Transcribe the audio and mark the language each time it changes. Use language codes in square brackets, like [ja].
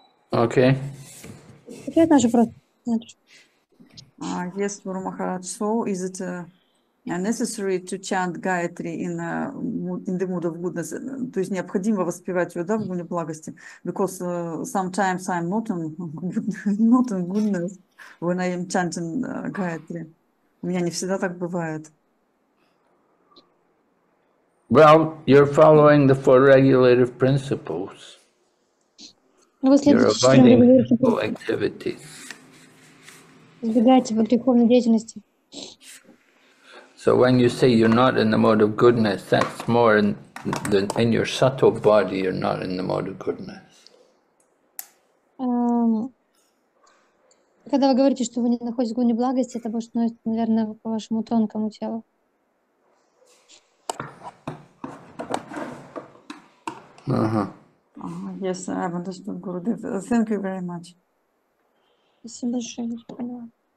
[ru] Окей. Okay. Это наш вопрос. [en] Yes, Guru Maharaj. So, is it necessary to chant Gayatri in the mood of goodness? [ru] То есть необходимо воспевать ее, да, в гуне благости? [en] Because sometimes I'm not in goodness when I am chanting Gayatri. [ru] У меня не всегда так бывает. [en] Well, you're following the four regulative principles. You're avoiding all activities. [ru] Избегайте греховной деятельности. [en] So when you say you're not in the mode of goodness, that's more in your subtle body, you're not in the mode of goodness. [ru] Когда вы говорите, что вы не находитесь в гуне благости, это больше относится, наверное, к вашему тонкому телу. [en] Yes, I have understood, Gurudev. Thank you very much. [ru] Спасибо большое, я поняла.